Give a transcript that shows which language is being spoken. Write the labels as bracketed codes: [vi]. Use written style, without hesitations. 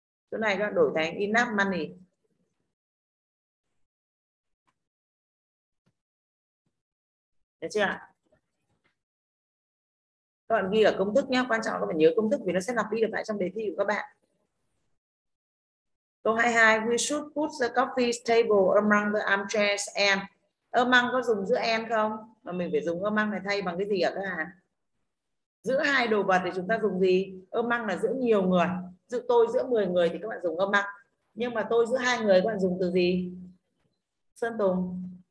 [vi] Chỗ này các bạn đổi thành [en] enough money. [vi] Được chưa? Các bạn ghi ở công thức nhé. Quan trọng các bạn nhớ công thức vì nó sẽ lặp đi được lại trong đề thi của các bạn. Câu 22. [en] We should put the coffee table among the armchairs and. [vi] Among có dùng giữa and không? Mà mình phải dùng among này thay bằng cái gì ạ các bạn? Giữa hai đồ vật thì chúng ta dùng gì? Among là giữa nhiều người. Giữa tôi giữa 10 người thì các bạn dùng among. Nhưng mà tôi giữa hai người các bạn dùng từ gì? Sơn Tùng.